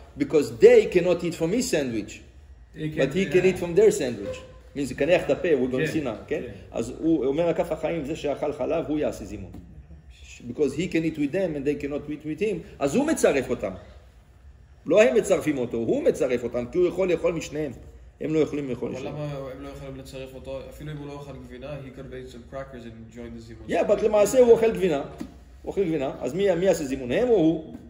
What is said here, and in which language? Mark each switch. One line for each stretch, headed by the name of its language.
English: Because they cannot eat from his sandwich, but he can eat from their sandwich. Means,
Hebrew: קנח את הפה,
English: we're going to see now, כן?
Hebrew: אז הוא אומר הכף החיים, זה שאכל חלב, הוא יעשה זימון.
English: Because he can eat with them, and they cannot eat with him.
Hebrew: אז הוא מצרף אותם. לא הם מצרפים אותו, הוא מצרף אותם, כי הוא יכול לאכול משניהם. הם לא יכולים לאכול משניהם. אבל למה הם לא יכולים לצרף אותו? אפילו אם הוא לא אוכל גבינה,
English: he could have ate some crackers and join the zimun. Yeah, but
Hebrew: למעשה הוא אוכל גבינה. הוא אוכל גבינה, אז מי עשה זימון, הם או הוא?